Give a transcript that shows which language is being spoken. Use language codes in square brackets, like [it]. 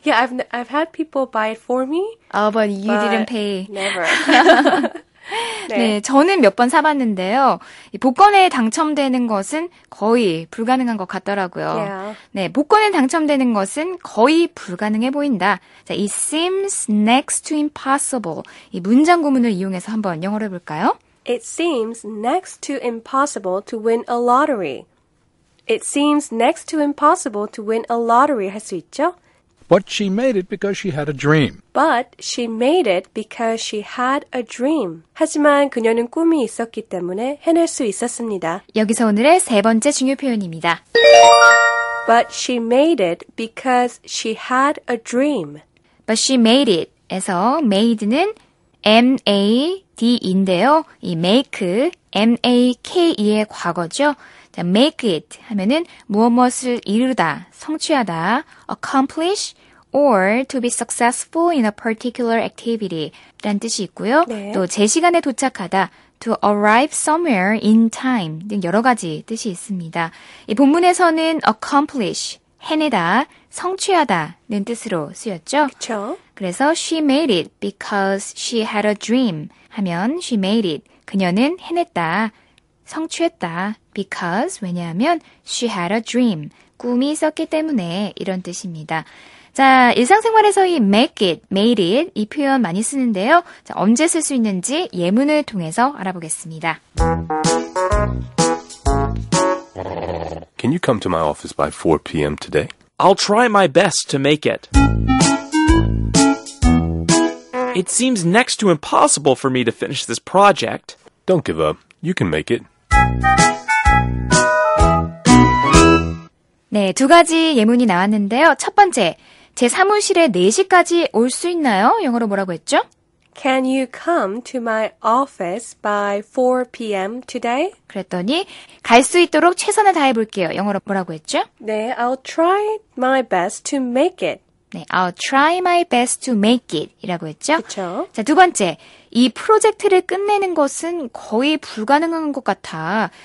[en] Yeah, I've had people buy it for me. Oh, but you but didn't pay. Never. [ko] 네. 네, 저는 몇 번 사봤는데요. 이 복권에 당첨되는 것은 거의 불가능한 것 같더라고요. [en] Yeah. [ko] 네, 복권에 당첨되는 것은 거의 불가능해 보인다. [en] 자, it seems next to impossible. [ko] 이 문장 구문을 이용해서 한번 영어로 해볼까요? [en] It seems next to impossible to win a lottery. It seems next to impossible to win a lottery [ko] 할 수 있죠? [en] But she made it because she had a dream. But she made it because she had a dream. [ko] 하지만 그녀는 꿈이 있었기 때문에 해낼 수 있었습니다. 여기서 오늘의 세 번째 중요 표현입니다. [en] But she made it because she had a dream. But she made it [ko] 에서 made는 made인데요. 이 make, make의 과거죠. Make it 하면은 무엇무엇을 이루다, 성취하다, [en] accomplish or to be successful in a particular activity [ko] 라는 뜻이 있고요. 네. 또 제시간에 도착하다, [en] to arrive somewhere in time [ko] 등 여러 가지 뜻이 있습니다. 이 본문에서는 accomplish, 해내다, 성취하다 는 뜻으로 쓰였죠. 그쵸. 그래서 [en] she made it because she had a dream [ko] 하면 [en] she made it, [ko] 그녀는 해냈다, 성취했다. [en] Because, [ko] 왜냐하면 [en] she had a dream. [ko] 꿈이 있었기 때문에 이런 뜻입니다. 자, 일상생활에서 이 make it, made it 이 표현 많이 쓰는데요. 자, 언제 쓸 수 있는지 예문을 통해서 알아보겠습니다. [en] Can you come to my office by 4 p.m. today? I'll try my best to make it. It seems next to impossible for me to finish this project. Don't give up. You can make it. [ko] 네, 두 가지 예문이 나왔는데요. 첫 번째, 제 사무실에 4시까지 올 수 있나요? 영어로 뭐라고 했죠? [en] Can you come to my office by 4 p.m. today? [ko] 그랬더니, 갈 수 있도록 최선을 다해볼게요. 영어로 뭐라고 했죠? [en] 네, I'll try my best to make it. 네, I'll try my best to make it [ko] 이라고 했죠? 그쵸. 자, 두 번째, 이 프로젝트를 끝내는 것은 거의 불가능한 것 같아.